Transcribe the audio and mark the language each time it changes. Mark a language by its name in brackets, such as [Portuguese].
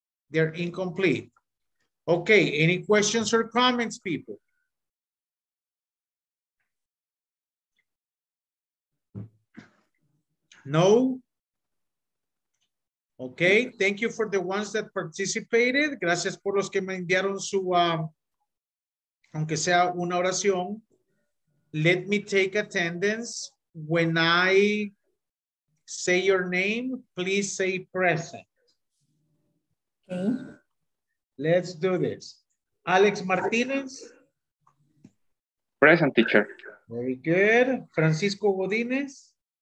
[English] They're incomplete. Okay, any questions or comments, people? No? Okay, thank you for the ones that participated. [Spanish] Gracias por los que me enviaron su, aunque sea una oración. [English] Let me take attendance. When I say your name, please say present. Okay. Let's do this. Alex Martinez. Present, teacher. Very good. Francisco Godinez.